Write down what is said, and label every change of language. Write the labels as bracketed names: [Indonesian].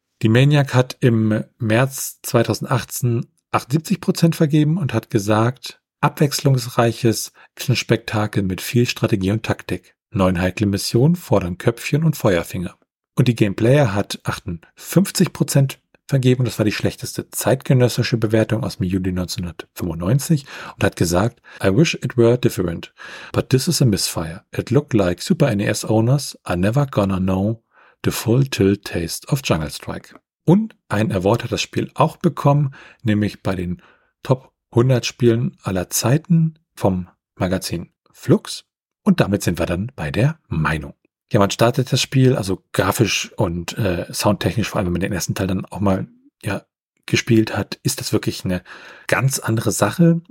[German] Die Maniac hat im März 2018 78% vergeben und hat gesagt, abwechslungsreiches Actionspektakel mit viel Strategie und Taktik. 9 heikle Missionen fordern Köpfchen und Feuerfinger. Und die Gameplayer hat 58% vergeben, das war die schlechteste zeitgenössische Bewertung aus dem Juli 1995, und hat gesagt, [English] I wish it were different, but this is a misfire. It looked like Super NES owners are never gonna know the full tilt taste of Jungle Strike. [German] Und ein Award hat das Spiel auch bekommen, nämlich bei den Top 100 Spielen aller Zeiten vom Magazin Flux. Und damit sind wir dann bei der Meinung. Ja, man startet das Spiel, also grafisch und soundtechnisch, vor allem wenn man den ersten Teil dann auch mal gespielt hat, ist das wirklich eine ganz andere Sache.